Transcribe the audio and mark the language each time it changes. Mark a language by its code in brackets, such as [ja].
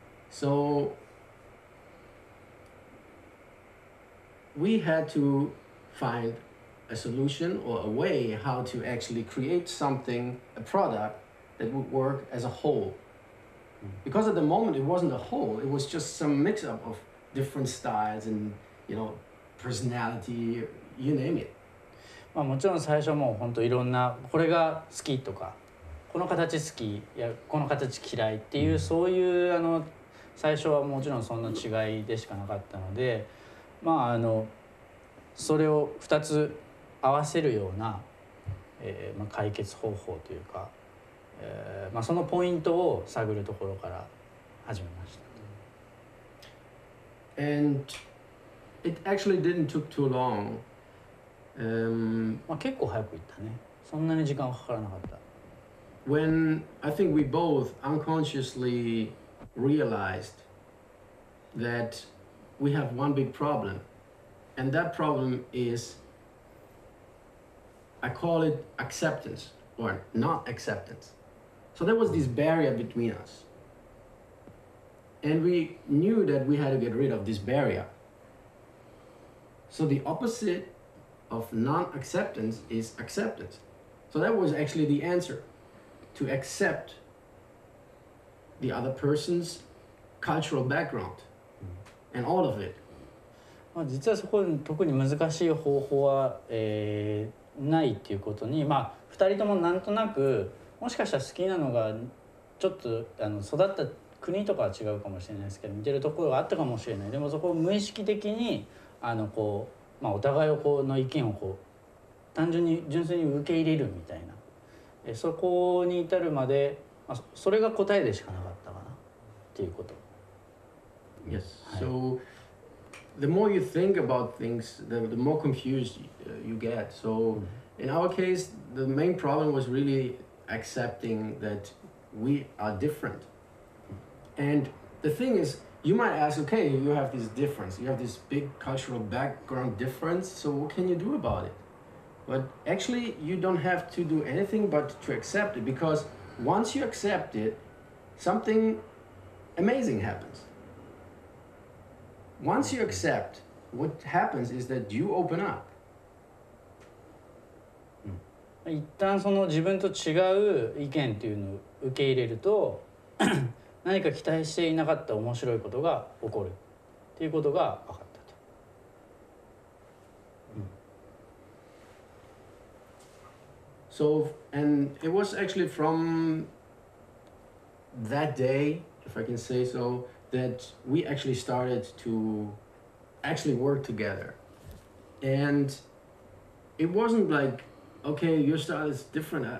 [en] So we had to find a solution or a way how to actually create something, a product that would work as a whole. Because at the moment it wasn't a whole, it was just some mix up of different styles and, you know, personality, you name it. [ja] まあ、もちろん最初も本当いろんなこれが好きとかこの形好きやこの形嫌いっていうそういう最初はもちろんそんな違いでしかなかったのでまあそれを2つ合わせるようなまあ解決方法というかまあそのポイントを探るところから始めました。 [en] And it actually didn't took too long. [ja] まあ、結構早く行ったね。そんなに時間はかからなかった。 [en] When I think we both unconsciously realized that we have one big problem, and that problem is, I call it acceptance or not acceptance. So there was this barrier between us. And we knew that we had to get rid of this barrier. So the opposite of non-acceptance is acceptance. So that was actually the answer, to accept the other person's cultural background and all of it. [ja] まあ、実はそこに特に難しい方法は、ないっていうことに、まあ、2人ともなんとなくもしかしたら好きなのがちょっとあの育った国とかは違うかもしれないですけど似てるところがあったかもしれない。でもそこを無意識的にあのこう、まあ、お互いをこうの意見をこう単純に純粋に受け入れるみたいな、そこに至るまで、まあ、それが答えでしかなかったかなっていうこと。 [en] Yes、はい、So... The more you think about things, the more confused you get. So, in our case, the main problem was really accepting that we are different. And the thing is, you might ask, okay, you have this difference, you have this big cultural background difference, so what can you do about it? But actually, you don't have to do anything but to accept it, because once you accept it, something amazing happens. Once you accept, what happens is that you open up. [ja] 一旦その自分と違う意見っていうのを受け入れると、何か期待していなかった面白いことが起こるっていうことが分かったと。 [en] So, and it was actually from that day, if I can say so,that we actually started to actually work together. And it wasn't like, okay, your style is different.